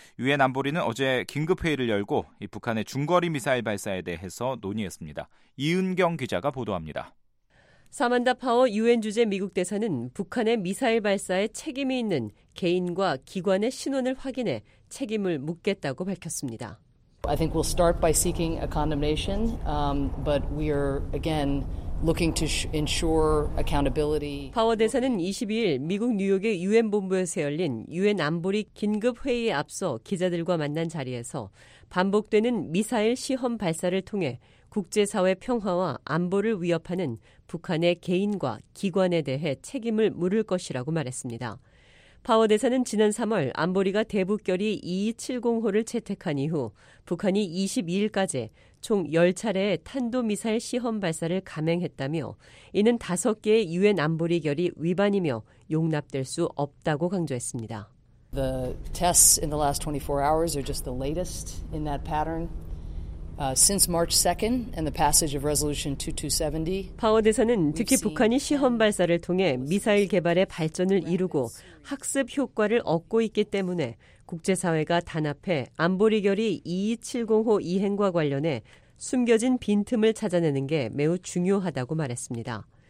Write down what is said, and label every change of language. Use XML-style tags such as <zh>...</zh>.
<ko>유엔 안보리는 어제 긴급회의를 열고 북한의 중거리 미사일 발사에 대해서 논의했습니다. 이은경 기자가 보도합니다. 사만다 파워 유엔 주재 미국 대사는 북한의 미사일 발사에 책임이 있는 개인과 기관의 신원을 확인해 책임을 묻겠다고 밝혔습니다.</ko> <en>I think we'll start by seeking a condemnation, but we're again looking to ensure accountability.</en> <ko>파워 대사는 22일 미국 뉴욕의 유엔 본부에서 열린 유엔 안보리 긴급 회의에 앞서 기자들과 만난 자리에서 반복되는 미사일 시험 발사를 통해 국제사회 평화와 안보를 위협하는 북한의 개인과 기관에 대해 책임을 물을 것이라고 말했습니다. 파워 대사는 지난 3월 안보리가 대북결의 2270호를 채택한 이후 북한이 22일까지 총 10차례의 탄도미사일 시험 발사를 감행했다며 이는 5개의 유엔 안보리 결의 위반이며 용납될 수 없다고 강조했습니다.</ko> <en>The tests in the last 24 hours are just the latest in that pattern. Since March 2nd and the passage of Resolution 2270,</en> <ko>파워 대사는 특히 북한이 시험 발사를 통해 미사일 개발의 발전을 이루고 학습 효과를 얻고 있기 때문에 국제사회가 단합해 안보리 결의 2270호 이행과 관련해 숨겨진 빈틈을 찾아내는 게 매우 중요하다고 말했습니다.</ko>